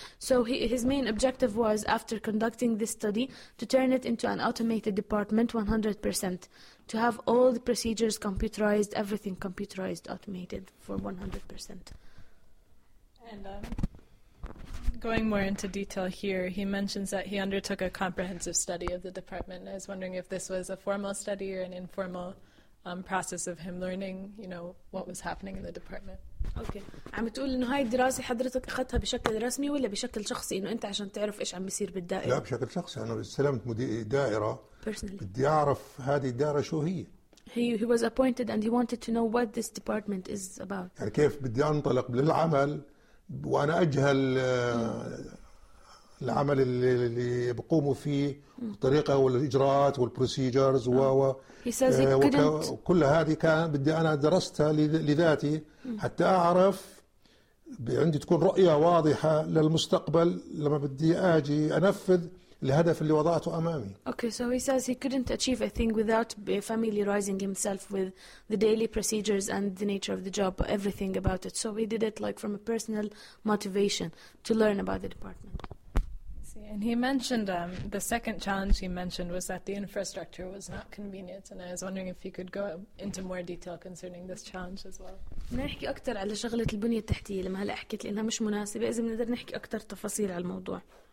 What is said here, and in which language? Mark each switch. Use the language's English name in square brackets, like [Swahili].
[English] So his main objective was, after conducting this study, to turn it into an automated department 100%, to have all the procedures computerized, everything computerized, automated for 100%. And going more into detail here, he mentions that he undertook a comprehensive study of the department. I was wondering if this was a formal study or an informal process of him learning, you know, what was happening in the department. Okay. [Arabic] عم تقول إنه هاي الدراسة حضرتك أخذتها بشكل رسمي ولا بشكل شخصي إنه أنت عشان تعرف إيش عم بيصير بالدائرة؟ لا بشكل شخصي. أنا استلمت دائرة. [English] Personally. [Arabic] بدي أعرف هذه الدائرة شو هي. [English] He was appointed and he wanted to know what this department is about. [Arabic] يعني كيف بدي أنطلق للعمل؟ وأنا أجهل العمل اللي بقوموا فيه الطريقة والإجراءات والبروسيجرز وكل هذه كان بدي أنا درستها لذاتي حتى أعرف عندي تكون رؤية واضحة للمستقبل لما بدي أجي أنفذ الهدف اللي وضعته أمامي. [English] Okay, so he says he couldn't achieve a thing without familiarizing himself with the daily procedures and the nature of the job, everything about it. So he did it like from a personal motivation to learn about the department. See, and he mentioned the second challenge he mentioned was that the infrastructure was not convenient, and I was wondering if he could go into more detail concerning this challenge as well. [Arabic] نحكي أكتر على شغلة البنية التحتية لما هلا حكيت لأنها مش مناسبة إذا بنقدر نحكي أكتر تفاصيل على الموضوع.